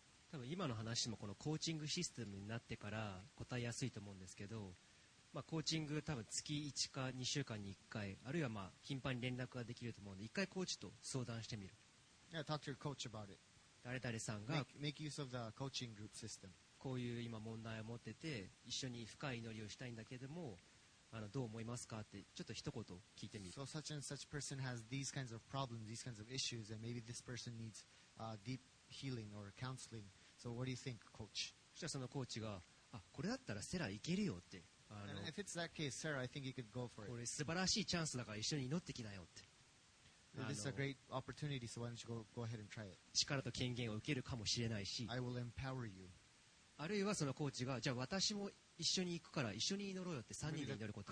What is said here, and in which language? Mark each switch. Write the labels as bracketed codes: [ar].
[ja] 多分今の話もこのコーチングシステムになってから答えやすいと思うんですけど、まあ、コーチング多分月1か2週間に1回あるいはまあ頻繁に連絡ができると思うので1回コーチと相談してみる。 [en] Yeah, talk to your coach about it. [ja] 誰々さんが [en] make use of the coaching group system. [ja] こういう今問題を持ってて一緒に深い祈りをしたいんだけどもどう思いますかってちょっと一言聞いてみる。 [en] So such and such person has these kinds of problems, these kinds of issues, and maybe this person needs deep healing or counseling. So what do you think, coach? [ja] そしたらそのコーチが、あ、これだったらセラいけるよって。 [en] And if it's that case, Sarah, I think you could go for it. [ja] これ素晴らしいチャンスだから一緒に祈ってきなよって。 [en] This is a great opportunity, so why don't you go ahead and try it? [ja] 力と権限を受けるかもしれないし。 [en] I will empower you. [ja] あるいはそのコーチが、じゃあ私も一緒に行くから一緒に祈ろうよって3人で祈ること